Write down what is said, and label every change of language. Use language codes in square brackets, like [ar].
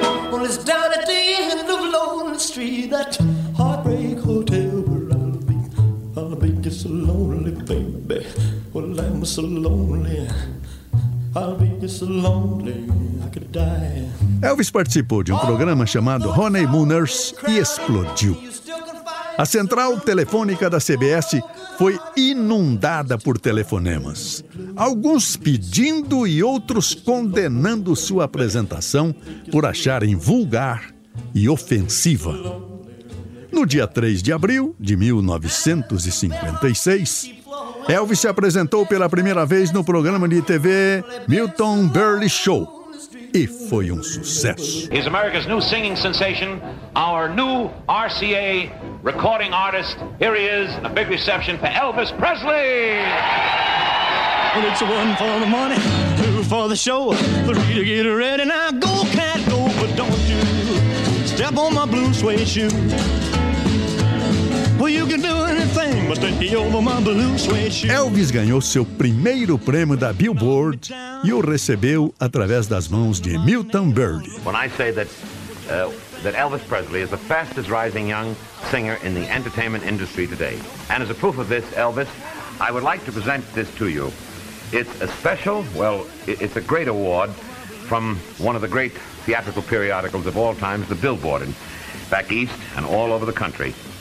[en] Well, it's down at the end of Lonely Street, that Heartbreak Hotel where I'll be just so lonely, baby. Well, I'm so lonely, I'll be just so lonely, I could die. [pt] Elvis participou de um programa chamado Honeymooners e explodiu. A central telefônica da CBS foi inundada por telefonemas, alguns pedindo e outros condenando sua apresentação por acharem vulgar e ofensiva. No dia 3 de abril de 1956, Elvis se apresentou pela primeira vez no programa de TV Milton Berle Show. E foi um sucesso. [en] He's America's new singing sensation, our new RCA recording artist. Here he is, a big reception for Elvis Presley. Well, it's one for the money, two for the show, three to get ready. Now go, cat, go, but don't you step on my blue suede shoe. Well, you can do anything, but take me over my blue suede shoe. [pt] Elvis ganhou seu primeiro prêmio da Billboard e o recebeu através das mãos de Milton Berle. [en] When I say that that Elvis Presley is the fastest rising young singer in the entertainment industry today, and as a proof of this, Elvis, I would like to present this to you. It's a special, well, it's a great award from one of the great theatrical periodicals of all times, the Billboard, and back east and all over the country.